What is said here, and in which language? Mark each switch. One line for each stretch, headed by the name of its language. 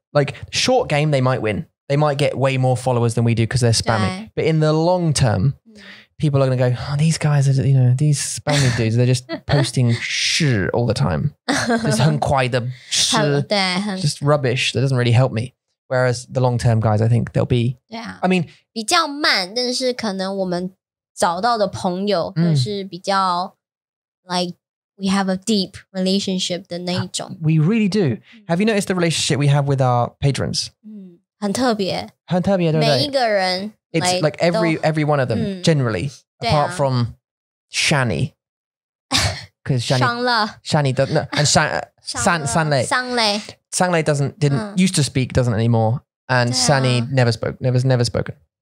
English: Like, short game, they might win. They might get way more followers than we do because they're spamming. But in the long term, people are going to go, oh, these guys, are, you know, these Spanish dudes, they're just posting shi all the time. Just
Chinese: 很快的
English: shi, just rubbish. That doesn't really help me. Whereas the long-term guys, I think they'll be... Yeah. I mean...
Chinese: 比较慢,但是可能我们找到的朋友会是比较...
English: Like, we have a deep relationship
Chinese: 的那一种.
English: We really do. Have you noticed the relationship we have with our patrons?
Chinese: 很特别。很特别,对不对?每一个人...
English: It's like every one of them, generally, apart from Shani. Because Shani... Shani doesn't... No, and Sanle. Sanle doesn't... used to speak, doesn't anymore. And Sani never spoke. Never spoken.